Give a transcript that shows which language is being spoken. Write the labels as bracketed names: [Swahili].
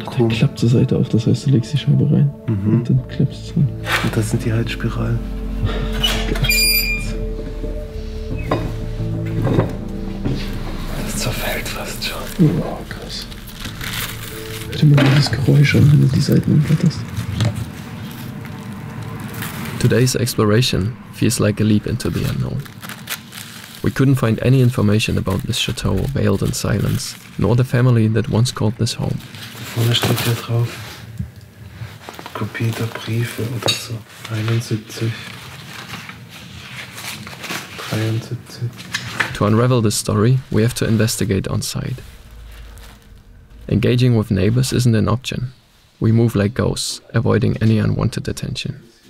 [German] Die klappt zur Seite auf, das heißt, du legst die Scheibe rein und dann klebst du dran. Und das sind die Heizspiralen. Das zerfällt fast schon. Oh, krass. Hört immer dieses Geräusch an, wenn du die Seiten umblätterst. [English] Today's exploration feels like a leap into the unknown. We couldn't find any information about this chateau veiled in silence, nor the family that once called this home. [German] Vorne steht hier drauf, kopierte Briefe oder so. 71, 73. [English] To unravel this story, we have to investigate on site. Engaging with neighbors isn't an option. We move like ghosts, avoiding any unwanted attention.